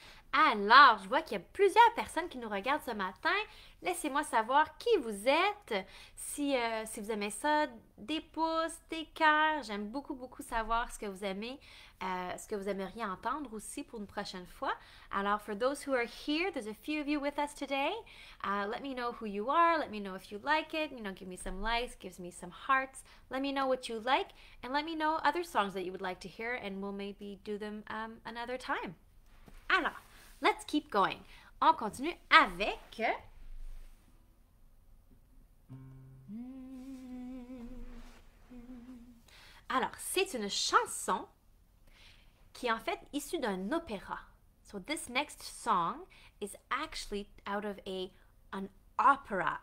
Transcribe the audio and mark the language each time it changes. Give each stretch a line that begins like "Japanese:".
French: Alors, je vois qu'il y a plusieurs personnes qui nous regardent ce matin. Laissez-moi savoir qui vous êtes, si vous aimez ça, des pouces, des cœurs. J'aime beaucoup, beaucoup savoir ce que vous aimez, ce que vous aimeriez entendre aussi pour une prochaine fois.
English: Alors, for those who are here, there's a few of you with us today. Let me know who you are, let me know if you like it, you know, give me some likes, give me some hearts. Let me know what you like and let me know other songs that you would like to hear and we'll maybe do them another time.
French: Alors,
English: let's keep going.
French: On continue avec... Alors, c'est une chanson qui est en fait issue d'un opéra.
English: So this next song is actually out of an opera.